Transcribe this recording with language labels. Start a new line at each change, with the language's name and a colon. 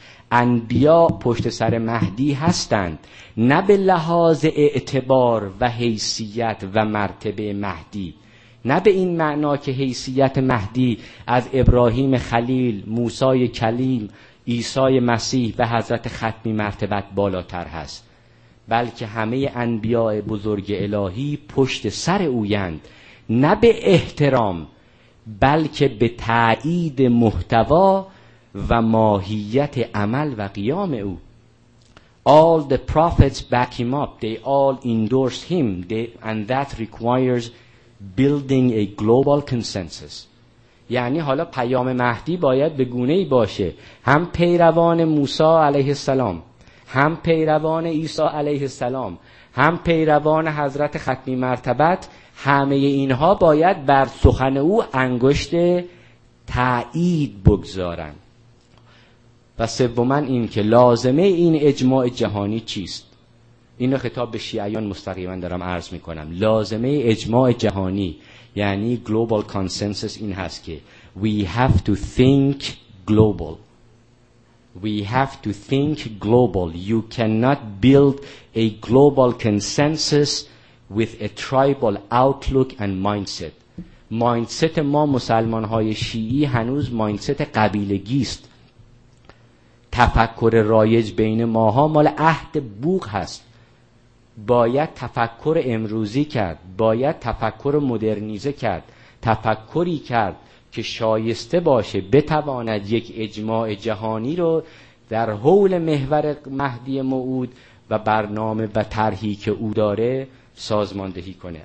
Persian: انبیاء پشت سر مهدی هستند، نه به لحاظ اعتبار و حیثیت و مرتبه مهدی، نه به این معنا که حیثیت مهدی از ابراهیم خلیل، موسای کلیم، عیسای مسیح و حضرت ختمی مرتبت بالاتر هست، بلکه همه انبیاء بزرگ الهی پشت سر اویند، نه به احترام بلکه به تأیید محتوا و ماهیت عمل و قیام او.
English: All the prophets back him up, they all endorse him, and that requires building a global consensus.
Persian: یعنی حالا پیام مهدی باید به گونه‌ای باشه، هم پیروان موسی علیه السلام، هم پیروان عیسی علیه السلام، هم پیروان حضرت ختمی مرتبت، همه اینها باید بر سخن او انگشت تأیید بگذارند. و سوماً این که لازمه این اجماع جهانی چیست؟ اینو خطاب به شیعیان مستقیما دارم عرض میکنم. لازمه اجماع جهانی یعنی global consensus این هست که
English: we have to think global. We have to think global. You cannot build a global consensus with a tribal outlook and mindset.
Persian: مایندست ما مسلمان های شیعی هنوز مایندست قبیلگی است. تفکر رایج بین ماها مال عهد بوق هست. باید تفکر امروزی کرد، باید تفکر مدرنیزه کرد، تفکری کرد که شایسته باشه بتواند یک اجماع جهانی رو در حول محور مهدی موعود و برنامه و طرحی که او داره سازماندهی کنه.